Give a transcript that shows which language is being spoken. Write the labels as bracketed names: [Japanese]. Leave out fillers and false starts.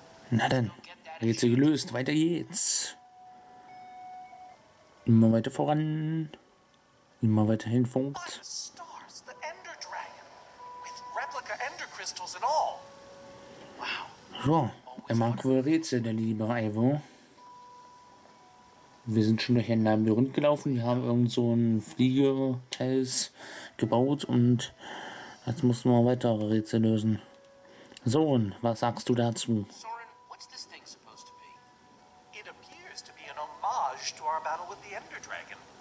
[German] Na dann, Rätsel gelöst, weiter geht's. Immer weiter voran. immer weiter hinfunkt. [English] Stars, the Ender Dragon, with replica Ender crystals and all. [German] Wow. So, er mag wohl Rätsel, der liebe Ivo. Wir sind schon durch einen Labyrinth gelaufen. Wir haben irgend so ein Fliegerteils gebaut und jetzt mussten wir weitere Rätsel lösen. So, und was sagst du dazu? [English] Soren, what's this thing supposed to be? It appears to be an homage to our battle with the Ender Dragon.